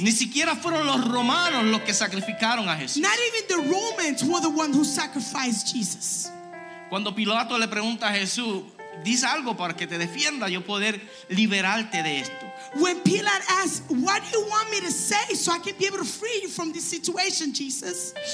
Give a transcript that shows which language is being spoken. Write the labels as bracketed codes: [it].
[es] Ni siquiera fueron los romanos los que sacrificaron a Jesús. [en] Not even the Romans were the ones who sacrificed Jesus. [es] Cuando Pilato le pregunta a Jesús, dice algo para que te defienda, yo poder liberarte de esto. [en] When Pilate asks, what do you want me to say so I can be able to free you from this situation, Jesus?